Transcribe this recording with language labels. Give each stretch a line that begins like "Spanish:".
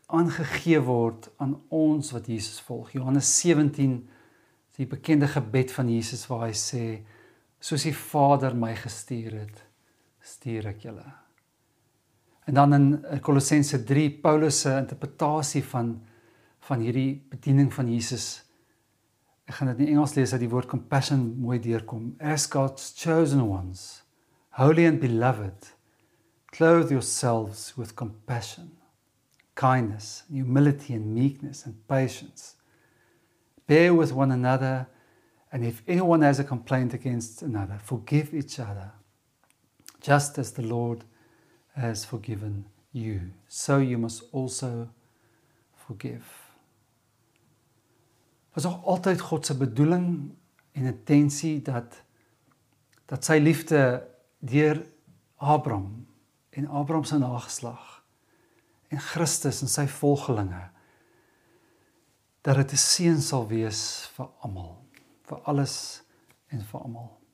Afrikaans: aangegee word aan ons wat Jesus volg. Johannes 17, die bekende gebed van Jesus waar hy sê, soos die Vader my gestuur het, stuur ek julle. En dan in Kolossense 3, Paulus se interpretasie van hierdie bediening van Jesus. Ek gaan dit in Engels lees, dat die woord compassion mooi deurkom.
English: As God's chosen ones, holy and beloved, clothe yourselves with compassion, kindness, humility and meekness and patience. Bear with one another, and if anyone has a complaint against another, forgive each other, just as the Lord has forgiven you, so you must also forgive.
Afrikaans: Was ook altyd God se bedoeling en intensie dat sy liefde deur Abraham en Abraham se nageslag en Christus en sy volgelinge, dat dit 'n seën sal wees vir almal, vir alles en vir almal.